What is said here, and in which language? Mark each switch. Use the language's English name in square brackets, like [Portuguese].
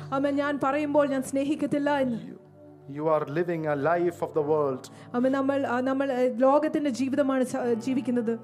[Malayalam] amen ഞാൻ പറയുമ്പോൾ ഞാൻ സ്നേഹിക്കില്ല എന്ന് [English] you are living a life of the world [Malayalam] amen നമ്മൾ ലോകത്തിന്റെ ജീവിതമാണ് ജീവിക്കുന്നത്